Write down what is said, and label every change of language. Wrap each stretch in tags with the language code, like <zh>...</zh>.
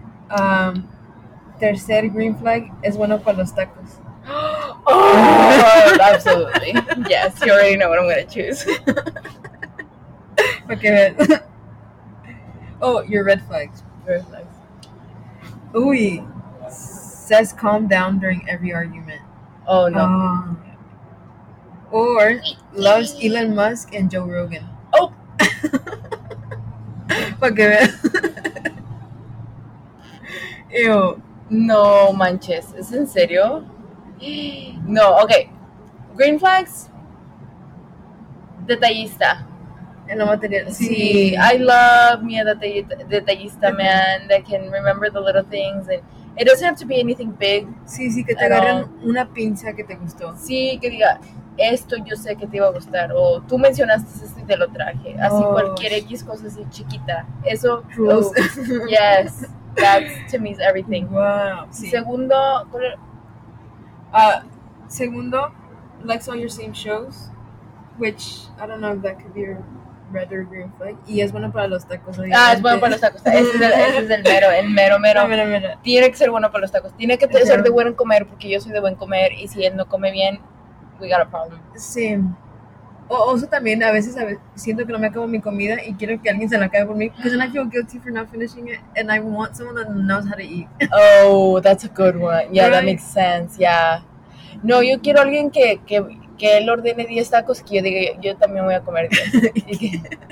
<es>Tercer</es> <en>green flag,</en> <es>es bueno para los tacos.</es> <en>Oh, absolutely. Yes, you already know what I'm going to choose. Okay, man. Oh, your red flags. Red flags. Uy, says calm down during every argument. Oh, no. Or loves Elon Musk and Joe Rogan. Oh! Okay, man. Ew.</en> <es>No manches. ¿Es en serio? No, okay.</es> <en>Green flags.</en> <es>Detallista. En lo material.</es> <en>Sí, I love me a detallista, man, that can remember the little things. And it doesn't have to be anything big.</en> <es>Sí, que te agarren una pinza que te gustó. Sí, que diga, esto yo sé que te iba a gustar. O tú mencionaste esto y te lo traje. Así cualquier X cosa así chiquita. Eso.</es> <en>Rules. Yes. That, to me, is everything. Wow.</en> <es>Sí. Segundo.</es> <en>Segundo, likes all your same shows. Which, I don't know if that could be your red or green flag.</en> <es>Y es bueno para los tacos. Obviamente. Ah, es bueno para los tacos. Ese es el mero, el mero, mero. Mira. Tiene que ser bueno para los tacos. Tiene que ser de buen comer, porque yo soy de buen comer. Y si él no come bien,</es> <en>we got a problem.</en> <es>Sí. Also, también, a veces siento que no me acabo mi comida y quiero que alguien se la acabe por mí.</es> <en>Because then I feel guilty for not finishing it. And I want someone that knows how to eat. Oh, that's a good one. Yeah, that makes sense. Yeah.</en> <es>No, yo quiero alguien que él ordene 10 tacos que yo diga, yo también voy a comer 10.</es>